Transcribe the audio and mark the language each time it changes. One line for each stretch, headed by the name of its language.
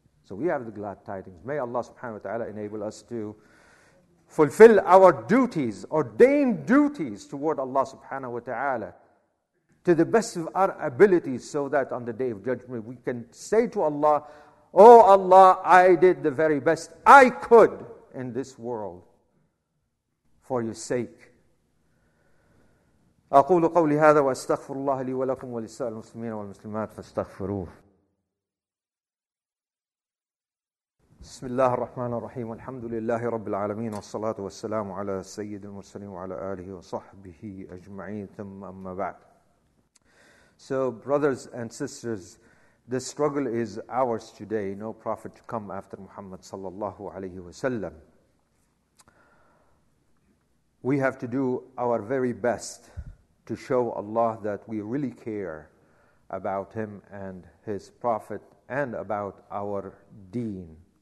English: So we have the glad tidings. May Allah subhanahu wa ta'ala enable us to fulfill our duties, ordained duties toward Allah subhanahu wa ta'ala to the best of our abilities so that on the day of judgment we can say to Allah, Oh Allah, I did the very best I could in this world for your sake.
Arabic: أقول قولي هذا وأستغفر الله لي ولكم ولسائر المسلمين والمسلمات فاستغفروه. بسم الله الرحمن الرحيم. الحمد لله رب العالمين والصلاة والسلام على سيد المرسلين وعلى آله وصحبه أجمعين ثم أما بعد.
English: So brothers and sisters, the struggle is ours today. No prophet to come after Muhammad sallallahu alayhi wa sallam. We have to do our very best to show Allah that we really care about him and his prophet and about our deen.